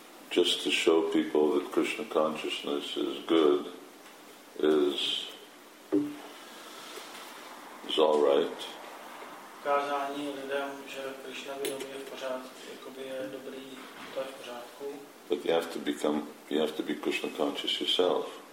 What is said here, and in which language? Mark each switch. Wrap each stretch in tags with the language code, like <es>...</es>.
<en>Just to show people that Krishna consciousness is good is all right.</en> <cs>Ukázání lidem, že Krishna vědomí je v pořádku, jakoby je dobrý, to je v pořádku.</cs> <en>But you have to be Krishna conscious yourself.</en>